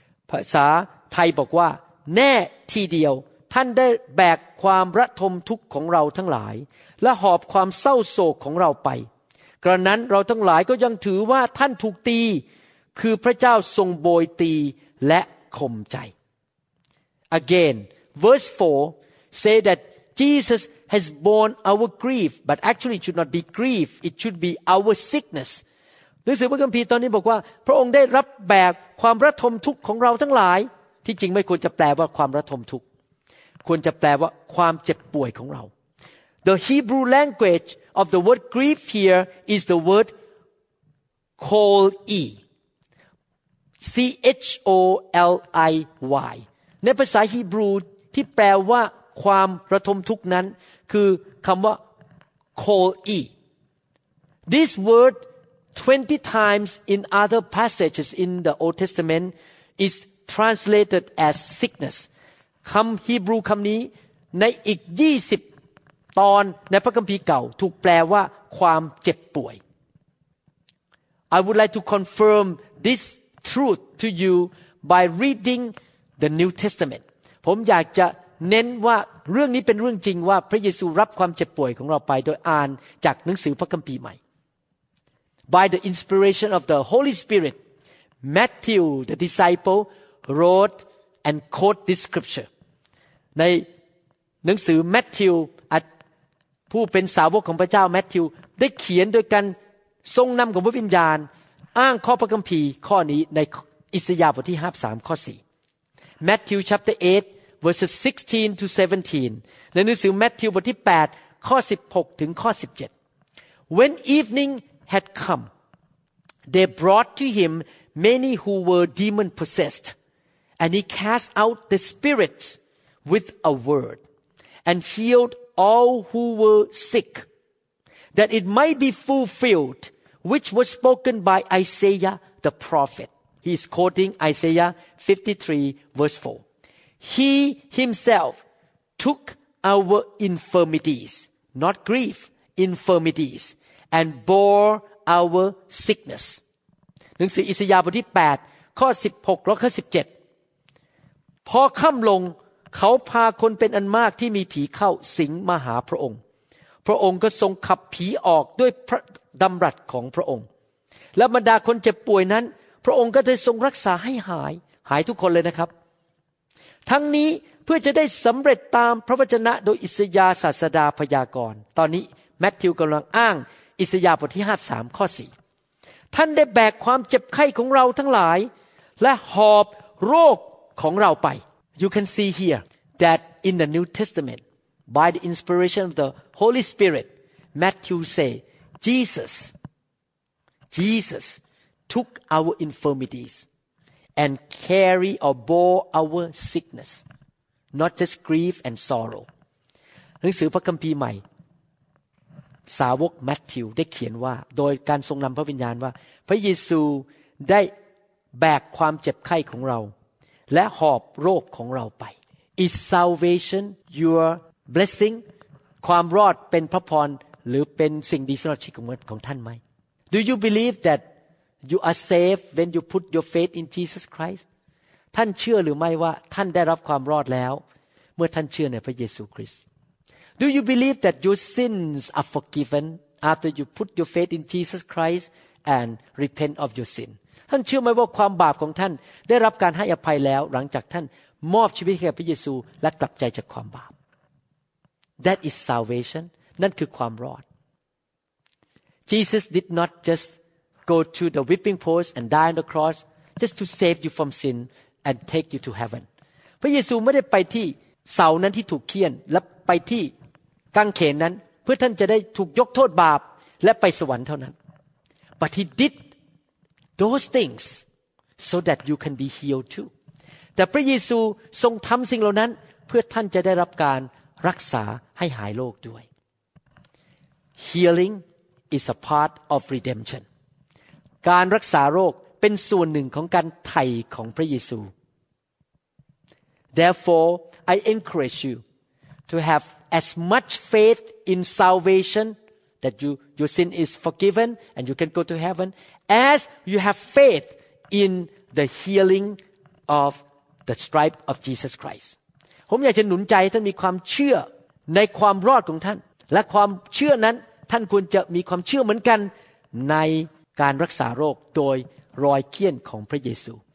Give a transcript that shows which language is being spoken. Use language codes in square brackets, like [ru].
[th] ภาษาไทยบอกว่าแน่ทีเดียวท่านได้แบกความระทมทุกข์ของเราทั้งหลายและหอบความเศร้าโศกของเราไปกระนั้นเราทั้งหลายก็ยังถือว่าท่านถูกตีคือพระเจ้าทรงโบยตีและข่มใจ [en] again. Verse 4 say that Jesus has borne our grief, but actually it should not be grief. It should be our sickness. [th] หนังสือพระคัมภีร์ตอนนี้บอกว่าพระองค์ได้รับแบกความระทมทุกข์ของเราทั้งหลายที่จริงไม่ควรจะแปลว่าความระทมทุกข์ควรจะแปลว่าความเจ็บป่วยของเรา [en] The Hebrew language of the word grief here is the word choli. C-H-O-L-I-Y. [th] ในภาษาฮีบรูที่แปลว่าความระทมทุกข์นั้นคือคำว่า choli. [en] This word 20 times in other passages in the Old Testament is translated as sickness. [th] คำฮีบรูคำนี้ในอีก20ตอนในพระคัมภีร์เก่าถูกแปลว่าความเจ็บป่วย [en] I would like to confirm this truth to you by reading the New Testament. [th] ผมอยากจะเน้นว่าเรื่องนี้เป็นเรื่องจริงว่าพระเยซูรับความเจ็บป่วยของเราไปโดยอ่านจากหนังสือพระคัมภีร์ใหม่ [en] By the inspiration of the Holy Spirit, Matthew the disciple wrote and quoted this scripture. [th] ในหนังสือแมทธิวผู้เป็นสาวกของพระเจ้าแมทธิวได้เขียนโดยการทรงนำของพระวิญญาณอ้างข้อพระคัมภีร์ข้อนี้ในอิสยาห์บทที่53ข้อ4 [en] Matthew chapter 8 verses 16 to 17 [th] ในหนังสือแมทธิวบทที่8ข้อ16ถึงข้อ17 [en] When evening had come they brought to him many who were demon possessed and he cast out the spirits with a word and healedall who were sick, that it might be fulfilled, which was spoken by Isaiah the prophet. He is quoting Isaiah 53 verse 4. He himself took our infirmities, not grief, infirmities, and bore our sickness. [th] หนังสืออิสยาห์บทที่8ข้อ16และข้อ17 พอค่ำลงเขาพาคนเป็นอันมากที่มีผีเข้าสิงมาหาพระองค์พระองค์ก็ทรงขับผีออกด้วยพระดำรัสของพระองค์และบรรดาคนเจ็บป่วยนั้นพระองค์ก็ได้ทรงรักษาให้หาย หายทุกคนเลยนะครับ ทั้งนี้เพื่อจะได้สำเร็จตามพระวจนะโดยอิสยาห์ศาสดาพยากรณ์ตอนนี้แมทธิวกำลังอ้างอิสยาห์บทที่53ข้อ4 ท่านได้แบกความเจ็บไข้ของเราทั้งหลายและหอบโรคของเราไป [en] You can see here that in the New Testament, by the inspiration of the Holy Spirit, Matthew say, Jesus took our infirmities and carry or bore our sickness, not just grief and sorrow. [th] หนังสือพระคัมภีร์ใหม่สาวกแมทธิวได้เขียนว่าโดยการทรงนำพระวิญญาณว่าพระเยซูได้แบกความเจ็บไข้ของเราและหอบโรคของเราไป [en] Is salvation your blessing? [th] ความรอดเป็นพระพรหรือเป็นสิ่งดีสำหรับชีวิตของท่านไหม [en] Do you believe that you are saved when you put your faith in Jesus Christ? [th] ท่านเชื่อหรือไม่ว่าท่านได้รับความรอดแล้วเมื่อท่านเชื่อในพระเยซูคริสต์ [en] Do you believe that your sins are forgiven after you put your faith in Jesus Christ and repent of your sin? [th] ท่านเชื่อไหมว่าความบาปของท่านได้รับการให้อภัยแล้วหลังจากท่านมอบชีวิตแก่พระเยซูและกลับใจจากความบาป [en] That is salvation [th] นั่นคือความรอด [en] Jesus did not just go to the whipping post and die on the cross just to save you from sin and take you to heaven [th] พระเยซูไม่ได้ไปที่เสานั้นที่ถูกเฆี่ยนและไปที่กางเขนนั้นเพื่อท่านจะได้ถูกยกโทษบาปและไปสวรรค์เท่านั้น [en] But he didThose things, so that you can be healed too. [th] แต่พระเยซูทรงทำสิ่งเหล่านั้นเพื่อท่านจะได้รับการรักษาให้หายโรคด้วย [en] Healing is a part of redemption. [th] การรักษาโรคเป็นส่วนหนึ่งของการไถ่ของพระเยซู [en] Therefore, I encourage you to have as much faith in salvation that your sin is forgiven and you can go to heaven. As you have faith in the healing of the stripe of Jesus Christ. [th] ผมอยากจะหนุนใจให้ท่านมีความเชื่อในความรอดของท่านและความเชื่อนั้นท่านควรจะมีความเชื่อเหมือนกันในการรักษาโรคโดยรอยเขี้ยนของพระเยซู